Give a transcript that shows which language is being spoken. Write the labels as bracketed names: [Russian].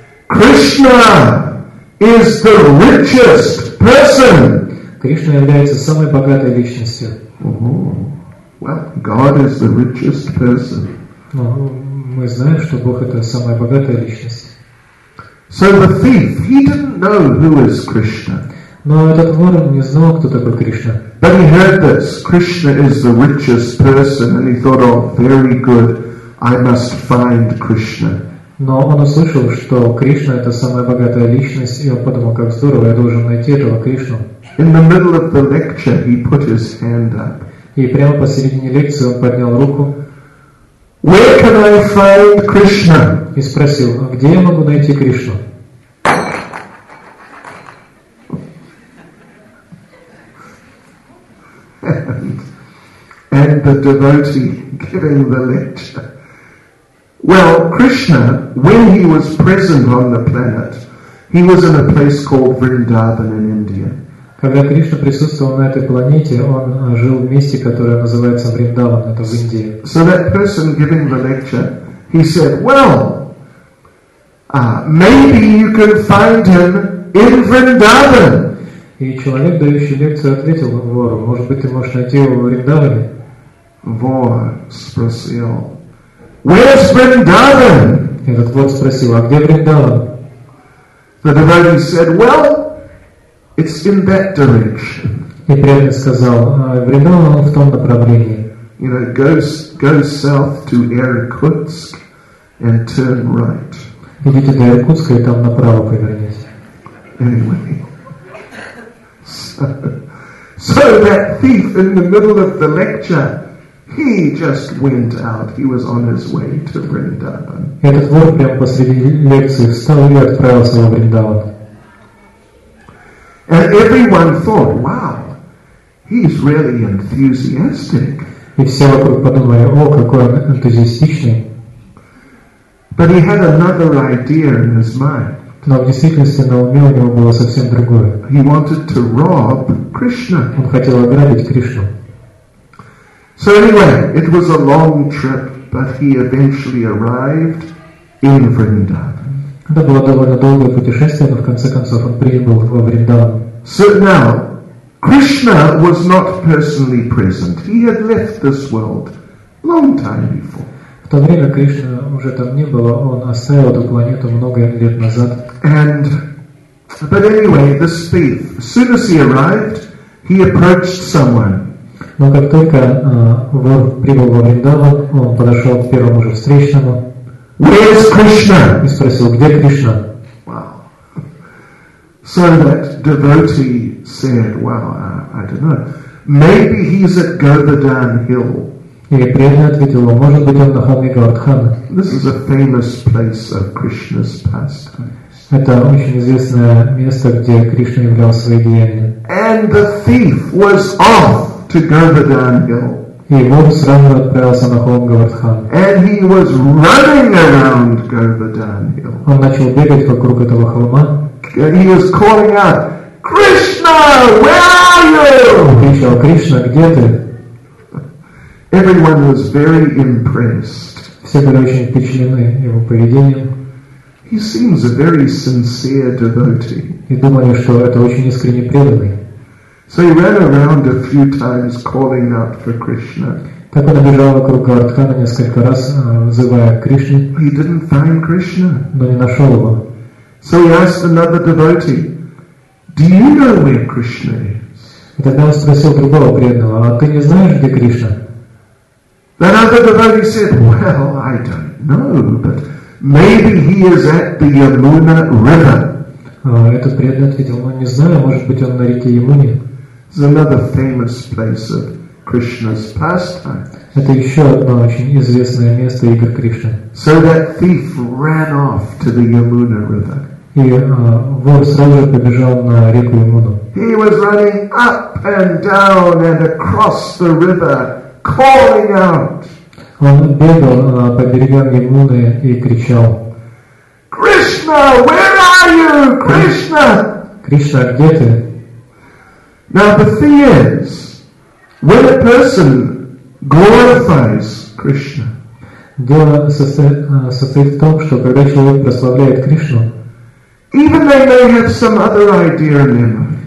[English] Krishna is the richest person. [Russian] Кришна является самой богатой личностью. [English] Uh-huh. Well, God is the richest person. [Russian] Ну, мы знаем, что Бог это самая богатая личность. [English] So the thief, he didn't know who is Krishna. [Russian] Но этот вор не знал, кто такой Кришна. [English] But he heard this. Krishna is the richest person, and he thought, oh, very good. I must find Krishna. [Russian] Но он услышал, что Кришна это самая богатая личность, и он подумал, как здорово, я должен найти этого Кришну. [English] In the middle of the lecture, he put his hand up. [Russian] И прямо посередине лекции он поднял руку. [English] Where can I find Krishna? [Russian] И спросил, а где я могу найти Кришну? [English] And the devotee giving the lecture. Well, Krishna, when he was present on the planet, he was in a place called Vrindavan in India. [Russian] Когда Кришна присутствовал на этой планете, он жил в месте, которое называется Вриндаван, это в Индии. [English] So that person giving the lecture, he said, well, maybe you can find him in Vrindavan. [Russian] И человек, дающий лекцию, ответил вору: «Может быть, ты можешь найти его в Вриндаване?» Вор спросил: [English] «Where's Vrindavan?» [Russian] Этот вор спросил: «А где Вриндаван?» [English] The devotee said, «Well, it's in that direction». [Russian] И преданный сказал: «Вриндаван в том направлении». [English] You know, go south to Irkutsk and turn right. [Russian] Идите до Иркутска и там направо повернись. [English] Anyway, so that thief in the middle of the lecture, he just went out. He was on his way to Vrindavan. [Russian] Этот вор прямо посреди лекции встал и отправился во Вриндаван. [English] And everyone thought, wow, he's really enthusiastic. [Russian] И все вокруг подумали: о, какой он энтузиастичный. [English] But he had another idea in his mind. [Russian] Но в действительности на уме у него было совсем другое. [English] He wanted to rob Krishna. [Russian] Он хотел ограбить Кришну. [English] So anyway, it was a long trip, but he eventually arrived in Vrindavan. [Russian] Это было довольно долгое путешествие, но в конце концов он прибыл во Вриндаван. [English] So now, Krishna was not personally present. He had left this world long time before. [Russian] В то время Кришна уже там не было. Он оставил эту планету много лет назад. [English] And, but anyway, this thief, as soon as he arrived, he approached someone. [Russian] Но как только вор прибыл во Вриндаван, он подошел к первому же встречному. [English] Where's Krishna? [Russian] И спросил: где Кришна? [English] So that devotee said, well, I don't know, maybe he's at Govardhan Hill. [Russian] И преданный ответил: может быть, он на холме Говардхана. [English] This is a famous place of Krishna's pastimes. [Russian] Это очень известное место, где Кришна являл свои деяния. [English] And the thief was off to Govardhan Hill. [Russian] И вор сразу отправился на холм Говардхан. [English] And he was running around Govardhan Hill. [Russian] Он начал бегать вокруг этого холма. [English] And he was calling out, Krishna, where are you? [Russian] Krishna, где ты? [English] Everyone was very impressed. [Russian] Все были очень впечатлены его поведением. [English] He seems a very sincere devotee. [Russian] И думали, что это очень искренне преданный. [English] So he ran around a few times calling out for Krishna. [Russian] Так он бежал вокруг Говардхана несколько раз, взывая к Кришне. [English] He didn't find Krishna. [Russian] Но не нашел его. [English] So he asked another devotee, "Do you know where Krishna is?" [Russian] И тогда он спросил другого преданного: "А ты не знаешь, где Кришна?" [English] The other devotee said, "Well, I don't know, but maybe he is at the Yamuna River." [Russian] Этот преданный ответил: "Ну, не знаю, может быть, он на реке Ямуне." [English] It's another famous place of Krishna's pastime. [Russian] Это еще одно очень известное место игр Кришны. [English] So that thief ran off to the Yamuna River. [Russian] И вор сразу же побежал на реку Ямуну. [English] He was running up and down and across the river, calling out. [Russian] Он бегал по берегам Ямуны и кричал: [English] Krishna, where are you, Krishna? [Russian] Кришна, где ты? [English] Now the thing is, when a person glorifies Krishna. [Russian] Дело состоит в том, что когда человек прославляет Кришну, [English] even they may have some other idea in their mind.